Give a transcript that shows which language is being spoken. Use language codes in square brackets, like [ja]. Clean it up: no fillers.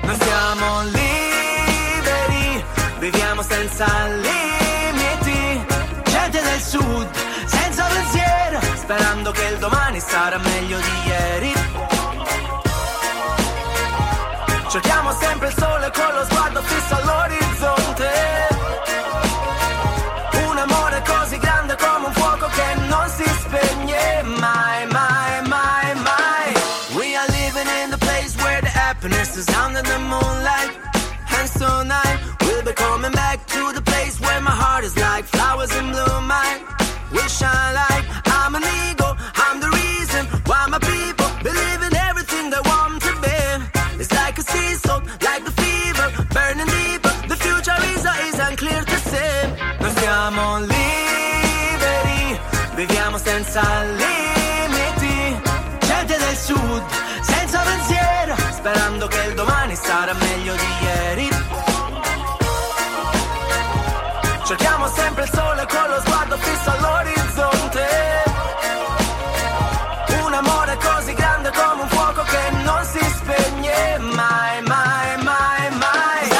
[it] Non siamo liberi, viviamo senza limiti, gente del sud, senza pensiero, sperando che il domani sarà meglio di ieri. Cerchiamo sempre il sole con lo sguardo fisso all'orizzonte, così grande come un fuoco che non si spegne mai, mai, mai, mai. [en] We are living in the place where the happiness is under the moonlight. And so now we'll be coming back to the place where my heart is like flowers in bloom. My wish I like, I'm an ego, I'm the reason why my people believe in everything they want to be. It's like a seesaw, like the fever burning deeper. The future is unclear to see. [it] Non siamo liberi, viviamo senza limiti, gente del sud, senza pensiero, sperando che il domani sarà meglio di ieri. Cerchiamo sempre il sole con lo sguardo fisso all'orizzonte, un amore così grande come un fuoco che non si spegne mai, mai, mai, mai.